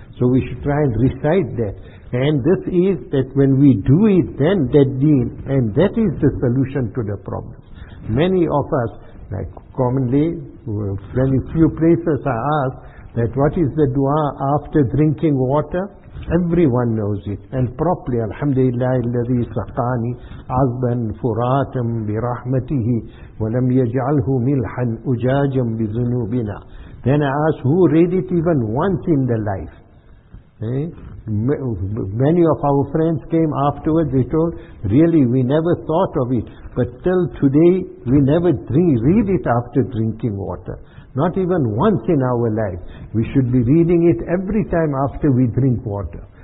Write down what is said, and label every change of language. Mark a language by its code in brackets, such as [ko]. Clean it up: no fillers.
[en] So we should try and recite that. And this is that when we do it, then that deen, and that is the solution to the problem. Many of us, like commonly, very few places are asked, that what is the dua after drinking water? Everyone knows it. And properly, [ar] Alhamdulillah, الذي سقاني عذبا فراتا برحمته ولم يجعله ملحا أجاجا بذنوبنا. [en] Then I ask, who read it even once in the life? Many of our friends came afterwards, they told, really, we never thought of it. But till today, we never read it after drinking water. Not even once in our life. We should be reading it every time after we drink water.